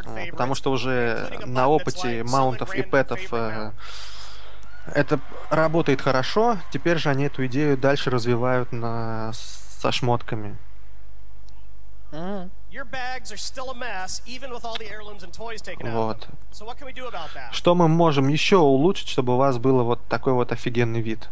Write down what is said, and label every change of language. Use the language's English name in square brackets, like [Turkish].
[Russian] Потому что уже на опыте маунтов и пэтов это работает хорошо. Теперь же они эту идею дальше развивают на... со шмотками. [English] Your bags are still a mess, even with all the heirlooms and toys taken out. [Russian] Вот. [English] So what can we do about that? [Russian] Что мы можем еще улучшить, чтобы у вас был вот такой вот офигенный вид?